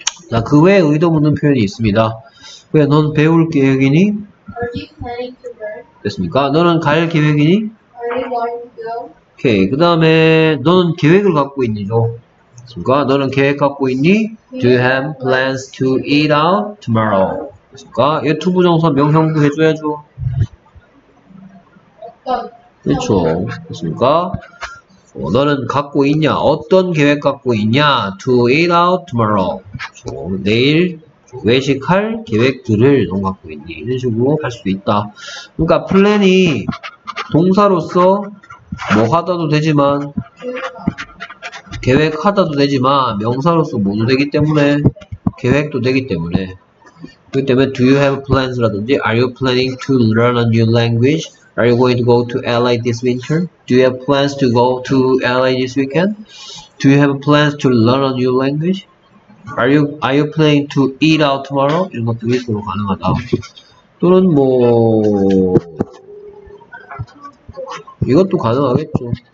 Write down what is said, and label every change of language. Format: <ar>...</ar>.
<ko>자, 그 외에 의도 묻는 표현이 있습니다. 왜 넌 배울 계획이니?</ko> <en>Are you planning to learn?</en> <ko>됐습니까? 너는 갈 계획이니?</ko> <en>Are you going to go?</en> <ko>오케이. 그 다음에 너는 계획을 갖고 있니죠? 그니까 너는 계획 갖고 있니?</ko> <en>Do you have plans to eat out tomorrow?</en> <ko>그니까 유튜브 정서 명형도 해줘야죠. 그렇죠. 그렇습니까? 너는 갖고 있냐? 어떤 계획 갖고 있냐?</ko> <en>To eat out tomorrow.</en> <ko>그쵸? 내일 외식할 계획들을 너 갖고 있니? 이런 식으로 할 수도 있다. 그러니까 플랜이 동사로서 뭐 하다도 되지만 계획하다도 되지만 명사로서 모두 되기 때문에 계획도 되기 때문에 그렇기 때문에</ko> <en>Do you have plans?</en> <ko>라든지</ko> <en>Are you planning to learn a new language? Are you going to go to LA this winter? Do you have plans to go to LA this weekend? Do you have plans to learn a new language? Are you planning to eat out tomorrow?</en> <ko>이런 것도 위스로 가능하다. 또는 뭐 이것도 가능하겠죠.</ko>